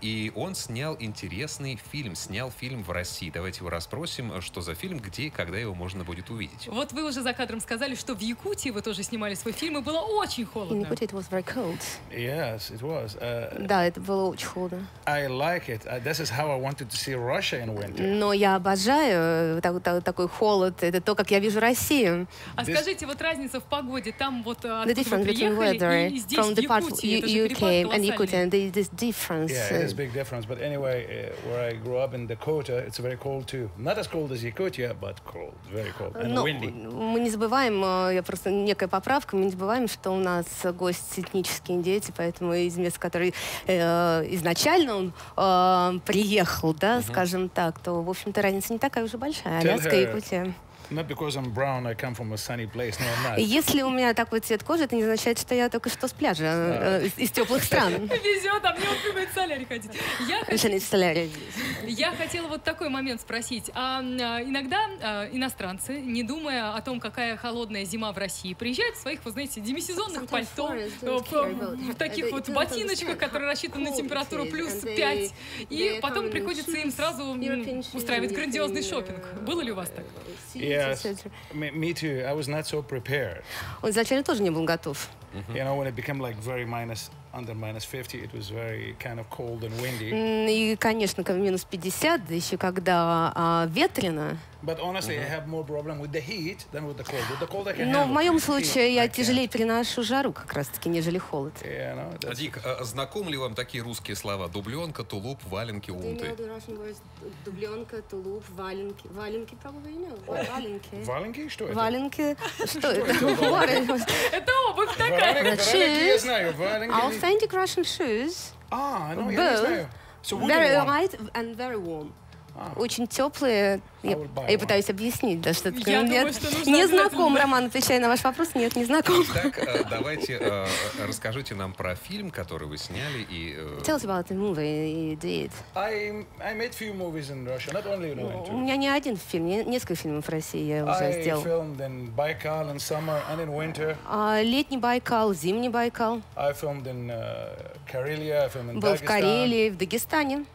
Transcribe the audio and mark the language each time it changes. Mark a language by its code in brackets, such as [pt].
[ru] И он снял интересный фильм. Снял фильм в России. Давайте его расспросим, что за фильм, где и когда его можно будет увидеть. Вот вы уже за кадром сказали, что в Якутии вы тоже снимали свой фильм, и было очень холодно. [en] In Yakutia it was very cold. Yes, it was. [ru] Да, это было очень холодно. [en] I like it. This is how I wanted to see Russia in winter. [ru] Но я обожаю такой холод. Это то, как я вижу Россию. А скажите, вот разница в погоде там вот откуда вы приехали и здесь, [en] from [ru] в Якутии, это же перепад колоссальный. [en] Big difference, but anyway, where I grew up in Dakota, it's very cold too. Not as cold as Yakutia, but cold, very cold and [ru] но [en] windy. [ru] Мы не забываем, я просто некая поправка, мы не забываем, что у нас гость этнические индейцы, поэтому из места, который изначально он приехал, да, скажем так, то, в общем-то, разница не такая уже большая. Аляска, Якутия. [en] Not because I'm brown, I come from a sunny place, no, I'm not. [ru] Если у меня такой цвет кожи, это не означает, что я только что с пляжа, из теплых стран. Везет, а мне успевает в солярий ходить. Я хотела вот такой момент спросить. Иногда иностранцы, не думая о том, какая холодная зима в России, приезжают в своих, вы знаете, демисезонных пальто, в таких вот ботиночках, которые рассчитаны на температуру плюс 5, и потом приходится им сразу устраивать грандиозный шопинг. Было ли у вас так? Yes, me too. I was not so prepared. Он изначально тоже не был готов. You know, when it became like very minus... Under minus 50, it was very kind of cold and windy. И, конечно, как минус 50, да еще когда ветрено. But honestly, I have more problem with the heat than with the cold. With the cold, I can handle. Но в моем случае я тяжелее переношу жару, как раз-таки, нежели холод. Yeah, no, that's... Дик, знаком ли вам такие русские слова? Дубленка, тулуп, валенки, унты. Дубленка, тулуп, валенки. Валенки, правда, валенки. Валенки? Что это? Валенки? Что это? Это обувь такая. Валенки, я знаю, валенки. [en] Authentic Russian shoes. Ah, I know. Yeah, so very light and very warm. [ru] Очень теплые. Я пытаюсь объяснить, да, что такое. Нет, не знаком, Роман, отвечая на ваш вопрос, нет, не знаком. Итак, давайте расскажите нам про фильм, который вы сняли. И, [en] Tell us about the movie you did. I made few movies in Russia, not only in winter. [ru] У меня не один фильм, несколько фильмов в России я уже сделал. [en] I filmed in Baikal in summer and in winter. [ru] Летний Байкал, зимний Байкал. [en] I filmed in Karelia, I filmed in [ru] Был в Карелии, в Дагестане.